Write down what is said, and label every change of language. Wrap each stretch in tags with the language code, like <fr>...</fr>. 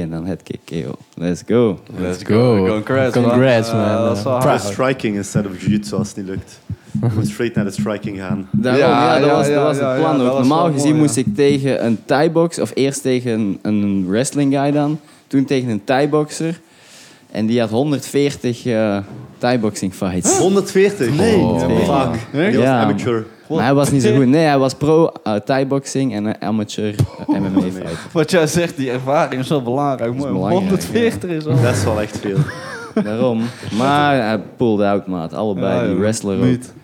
<nl>En dan head kick, KO.</nl> <en>Let's go. Congrats, man. Press striking instead of jiu-jitsu</en> <nl>als het niet lukt. Moet straight naar de striking gaan. Dat was het plan. Normaal gezien moest ik tegen een Thai-box. Of eerst tegen een wrestling guy dan. Toen tegen een Thai-boxer. En die had 140 Thai-boxing fights. 140? Nee. Oh. Nee. Fuck. Nee? Ja. Amateur. Maar hij was niet zo goed. Nee, hij was pro Thai-boxing en amateur MMA fight. Wat jij zegt, die ervaring is wel belangrijk. Is belangrijk. 140 is wel. Dat is wel echt veel. Waarom? Maar hij pulled out, maat. Allebei, die wrestler ook.</nl>